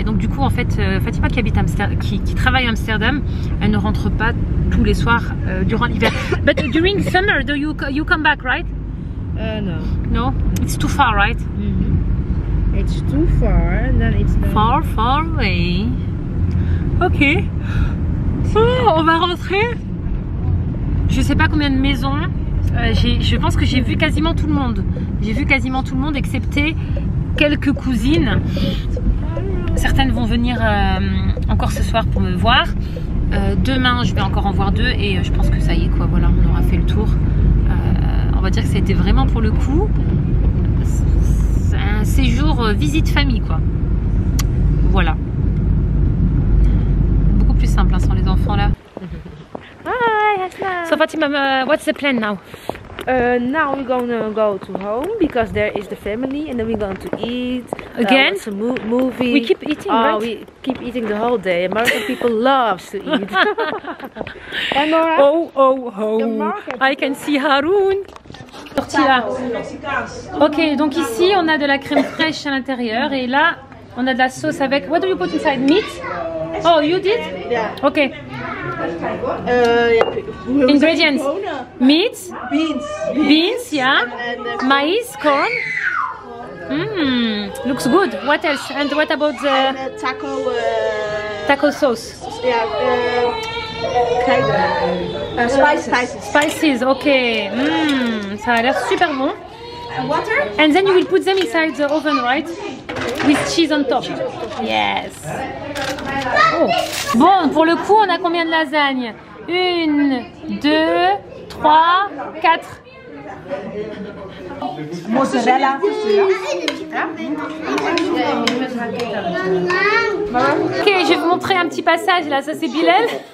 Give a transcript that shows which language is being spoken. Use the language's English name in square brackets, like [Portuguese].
[French] Et donc du coup en fait Fatima qui habite Amsterdam, qui travaille à Amsterdam, elle ne rentre pas tous les soirs durant l'hiver. [English] But during summer, do you come back, right? No. No, it's too far, right? Mm-hmm. It's too far, and then it's far, far away. Okay. Oh, [French] on va rentrer. Je sais pas combien de maisons. Je pense que j'ai vu quasiment tout le monde. J'ai vu quasiment tout le monde, excepté quelques cousines. Certaines vont venir encore ce soir pour me voir. Demain, je vais encore en voir deux, et je pense que ça y est, quoi. Voilà, on aura fait le tour. On va dire que c'était vraiment pour le coup un séjour visite famille, quoi. Voilà. Beaucoup plus simple hein, sans les enfants là. [English] Hi, Hasna. So Fatima, what's the plan now? Now we're gonna go to home because there is the family, and then we're going to eat again. Some movie. We keep eating. Oh, We keep eating the whole day. American people love to eat. And Nora, oh, oh, oh! I can see Haroun. Tortilla. [French] Ok, donc ici on a de la crème fraîche à l'intérieur, et là on a de la sauce avec. [English] What do you put inside? Meat. Oh, you did? Yeah. Ok. Ingredients. Meat. Beans. Yeah. Maïs, corn. Mmm, looks good. What else? And what about the taco? Taco sauce. Yeah. Spices. [French] Okay. Mmm, ça a l'air super bon. [English] Water. And then you will put them inside the oven, right? With cheese on top. Yes. Oh. [French] Bon, pour le coup, on a combien de lasagnes? Une, deux, trois, quatre. Mozzarella. Ok, je vais vous montrer un petit passage là. Ça, c'est Bilal.